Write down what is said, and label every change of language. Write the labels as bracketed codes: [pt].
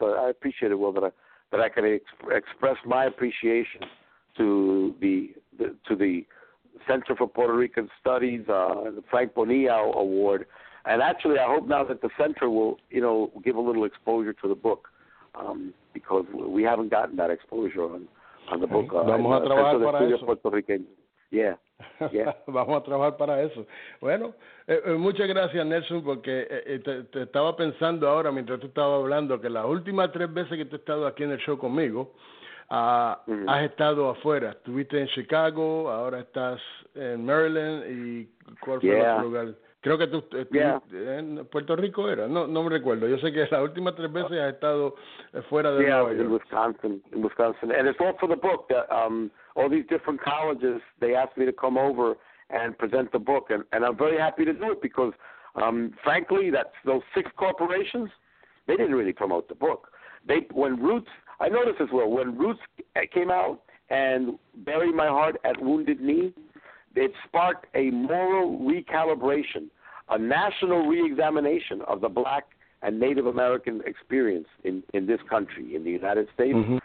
[en] I appreciate it, Will, that I can express my appreciation to the Center for Puerto Rican Studies, the Frank Bonilla Award, and actually I hope now that the center will give a little exposure to the book, because we haven't gotten that exposure on the book. [es] Vamos a trabajar para eso. [en] Puerto Rican. Yeah. [es] Vamos a trabajar para eso. Bueno, muchas gracias, Nelson, porque te estaba pensando ahora mientras tú estabas hablando que las últimas tres veces que tú has estado aquí en el show conmigo, has estado afuera. Estuviste en Chicago, ahora estás en Maryland, y ¿cuál fue el otro lugar? Creo que tú estuviste en Puerto Rico, ¿era? No me recuerdo. Yo sé que las últimas tres veces has estado fuera de Nueva York. [en] Wisconsin. And it's all for the book. All these different colleges, they asked me to come over and present the book, and I'm very happy to do it because, frankly, that's those six corporations, they didn't really promote the book. I noticed as well, when Roots came out and Bury My Heart at Wounded Knee, it sparked a moral recalibration, a national reexamination of the Black and Native American experience in this country, in the United States.